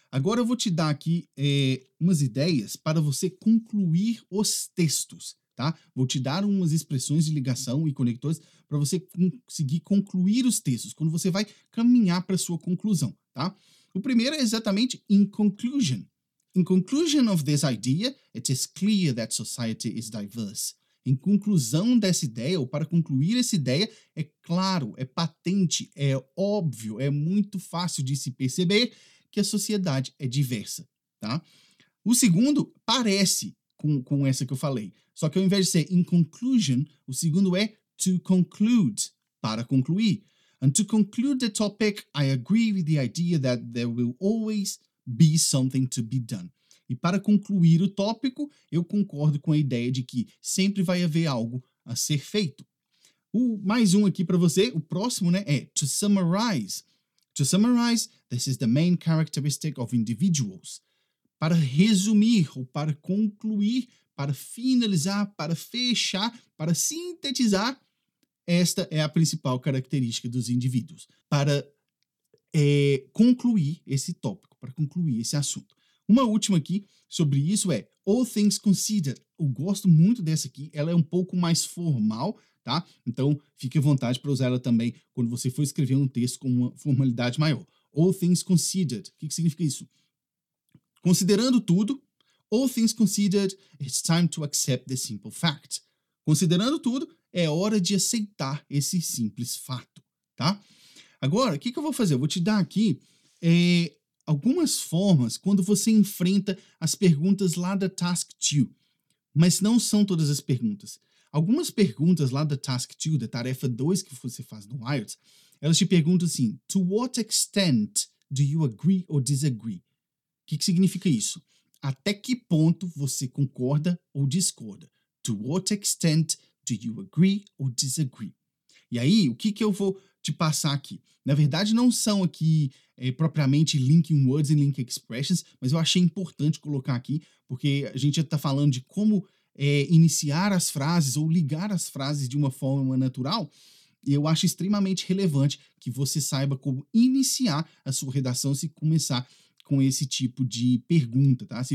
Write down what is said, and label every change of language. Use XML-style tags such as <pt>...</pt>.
<pt>Agora eu vou te dar aqui umas ideias para você concluir os textos, tá? Vou te dar umas expressões de ligação e conectores para você conseguir concluir os textos, quando você vai caminhar para a sua conclusão, tá? O primeiro é exatamente in conclusion.</pt> <en>In conclusion of this idea, it is clear that society is diverse.</en> <pt>Em conclusão dessa ideia, ou para concluir essa ideia, é claro, é patente, é óbvio, é muito fácil de se perceber que a sociedade é diversa, tá? O segundo parece com essa que eu falei. Só que ao invés de ser in conclusion, o segundo é to conclude, para concluir.</pt> <en>And to conclude the topic, I agree with the idea that there will always be something to be done.</en> <pt>E para concluir o tópico, eu concordo com a ideia de que sempre vai haver algo a ser feito. O mais um aqui para você, o próximo, né, é to summarize.</pt> <en>To summarize, this is the main characteristic of individuals.</en> <pt>Para resumir, ou para concluir, para finalizar, para fechar, para sintetizar, esta é a principal característica dos indivíduos. Para concluir esse tópico, para concluir esse assunto. Uma última aqui sobre isso é all things considered. Eu gosto muito dessa aqui, ela é um pouco mais formal, tá? Então, fique à vontade para usar ela também quando você for escrever um texto com uma formalidade maior.</pt> <en>All things considered.</en> <pt>O que significa isso? Considerando tudo,</pt> <en>all things considered, it's time to accept the simple fact.</en> <pt>Considerando tudo, é hora de aceitar esse simples fato, tá? Agora, o que eu vou fazer? Eu vou te dar aqui algumas formas quando você enfrenta as perguntas lá da Task 2. Mas não são todas as perguntas. Algumas perguntas lá da Task 2, da tarefa 2 que você faz no IELTS, elas te perguntam assim,</pt> <en>to what extent Do you agree or disagree?</en> <pt>O que significa isso? Até que ponto você concorda ou discorda?</pt> <en>To what extent do you agree or disagree?</en> <pt>E aí, o que, que eu vou te passar aqui? Na verdade, não são aqui propriamente linking words e linking expressions, mas eu achei importante colocar aqui, porque a gente já está falando de como iniciar as frases ou ligar as frases de uma forma natural, e eu acho extremamente relevante que você saiba como iniciar a sua redação se começar com esse tipo de pergunta, tá?</pt>